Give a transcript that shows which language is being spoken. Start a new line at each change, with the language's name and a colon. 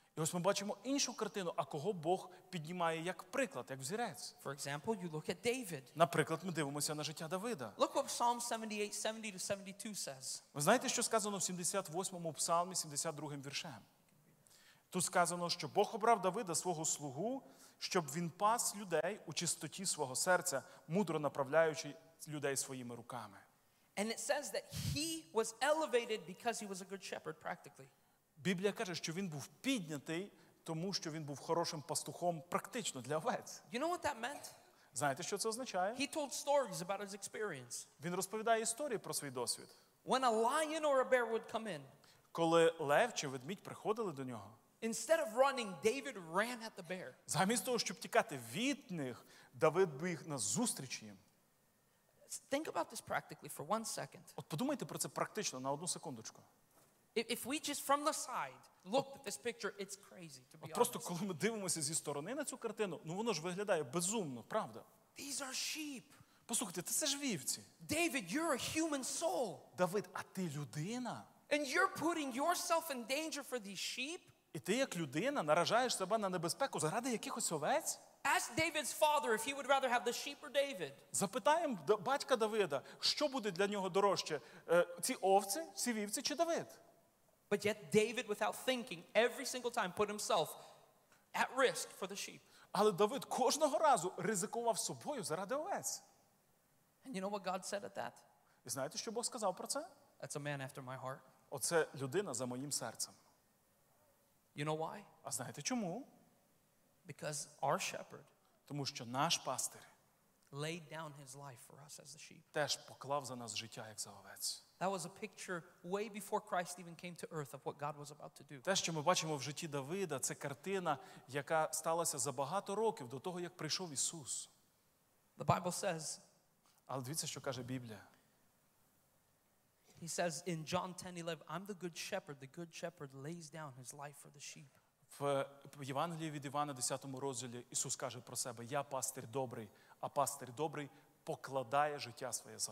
Ukrainian: І ось ми бачимо іншу картину, а кого Бог піднімає як приклад, як взірець.
English: For example, you look at David.
Ukrainian: Наприклад, ми дивимося на життя Давида.
English: Look what Psalm 78, 70 to 72 says.
Ukrainian: Ви знаєте, що сказано в 78-му псалмі, 72-м віршем? Тут сказано, що Бог обрав Давида, свого слугу, щоб він пас людей у чистоті свого серця, мудро направляючи людей своїми руками.
English: And it says that he was elevated because he was a good shepherd practically.
Ukrainian: Біблія каже, що він був піднятий, тому що він був хорошим пастухом практично для овець.
English: You know what that meant?
Ukrainian: Знаєте, що це означає?
English: He told stories about his experience.
Ukrainian: Він розповідає історії про свій досвід.
English: When a lion or a bear would come in.
Ukrainian: Коли лев чи ведмідь приходили до нього.
English: Instead of running, David ran at the bear.
Ukrainian: Замість того, щоб тікати від них, Давид біг назустріч їм.
English: Think about this practically for one second.
Ukrainian: От подумайте про це практично на одну секундочку.
English: If we just from the side look at this picture, it's crazy to be honest.
Ukrainian: Просто коли ми дивимося зі сторони на цю картину, ну воно ж виглядає безумно, правда?
English: These are sheep.
Ukrainian: Послухайте, це ж вівці.
English: David, you're a human soul.
Ukrainian: Давид, а ти людина?
English: And you're putting yourself in danger for these sheep?
Ukrainian: І ти як людина наражаєш себе на небезпеку заради якихось овець?
English: Ask David's father if he would rather have the sheep or David.
Ukrainian: Запитаємо батька Давида, що буде для нього дорожче, ці овці, ці вівці чи Давид?
English: But yet David, without thinking, every single time put himself at risk for the sheep.
Ukrainian: Але Давид кожного разу ризикував собою заради овець.
English: And you know what God said at that?
Ukrainian: І знаєте, що Бог сказав про це?
English: That's a man after my heart.
Ukrainian: Оце людина за моїм серцем.
English: You know why?
Ukrainian: А знаєте чому?
English: Because our shepherd,
Ukrainian: тому що наш пастир,
English: laid down his life for us as the sheep.
Ukrainian: Теж поклав за нас життя як за овець.
English: That was a picture way before Christ even came to earth of what God was about to do.
Ukrainian: Те, що ми бачимо в житті Давида, це картина, яка сталася за багато років до того, як прийшов Ісус.
English: The Bible says,
Ukrainian: але дивіться, що каже Біблія.
English: He says in John 10:11, I'm the good shepherd. The good shepherd lays down his life for the sheep.
Ukrainian: В Євангелії від Івана, 10-му розділі, Ісус каже про себе: я пастир добрий, а пастир добрий покладає життя своє за